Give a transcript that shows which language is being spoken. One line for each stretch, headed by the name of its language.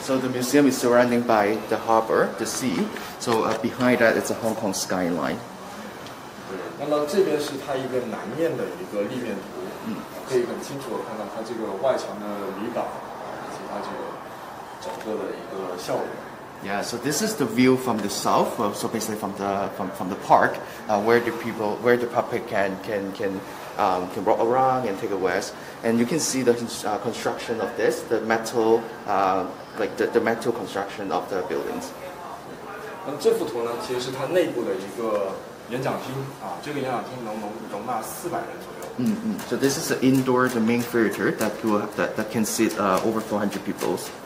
English: so the museum is surrounding by the harbor, the sea. So behind that, it's a Hong Kong skyline.
Chinese: 对，那么这边是它一个南面的一个立面图，可以很清楚地看到它这个外墙的里港以及它这个整个的一个效果。
English: Yeah, so this is the view from the south. So basically, from the park, where the public can walk around and take a rest. And you can see the construction of this, the metal, the metal construction of the buildings.
Chinese: 那这幅图呢，其实是它内部的一个演讲厅啊，这个演讲厅能容纳400人左右。
English: So this is the indoor, the main theater that can sit over 400 people.